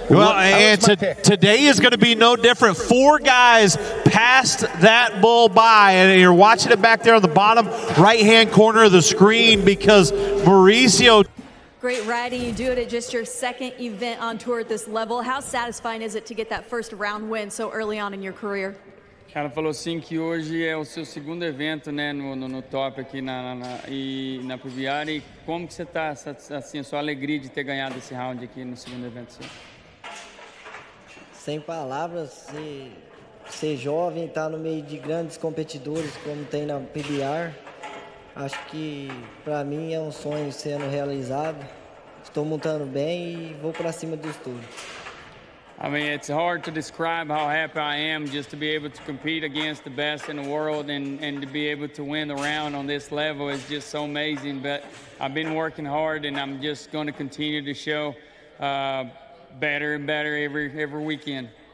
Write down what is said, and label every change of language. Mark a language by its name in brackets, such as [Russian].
[English] Well, and today is going to be no different. Four guys passed that bull by, and you're watching it back there on the bottom right-hand corner of the screen because Mauricio... Great riding. You do it at just your second event on tour at this level. How satisfying is it to get that first round win so early on in your career? [Portuguese] Cara falou assim que hoje é o seu segundo evento, né, no top aqui na PBR. E como que você tá assim, a sua alegria de ter ganhado esse round aqui no segundo evento seu? Sem palavras, ser jovem, estar no meio de grandes competidores como tem na PBR. Acho que para mim é um sonho sendo realizado. Estou montando bem e vou para cima do estudo. [English] I mean, it's hard to describe how happy I am just to be able to compete against the best in the world and to be able to win the round on this level is just so amazing. But I've been working hard and I'm just going to continue to show better and better every weekend.